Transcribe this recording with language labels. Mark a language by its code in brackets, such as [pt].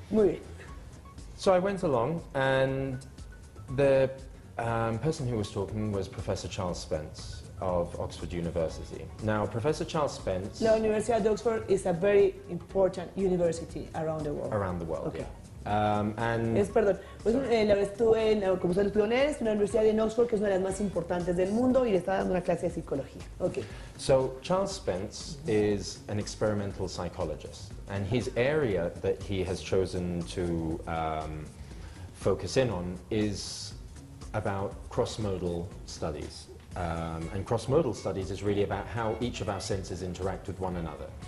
[fr] Oui. [en] So I went along, and the person who was talking was Professor Charles Spence of Oxford University. Now, Professor Charles Spence... The University of Oxford is a very important university around the world. Around the world, okay. Yeah. And [es] es, perdón, pues, la vez estuve en, como usted lo estudió, es una universidad en Oxford que es una de las más importantes del mundo y le estaba dando una clase de psicología. [en] Okay. So Charles Spence is an experimental psychologist, and his area that he has chosen to focus in on is about cross-modal studies. And cross-modal studies is really about how each of our senses interact with one another.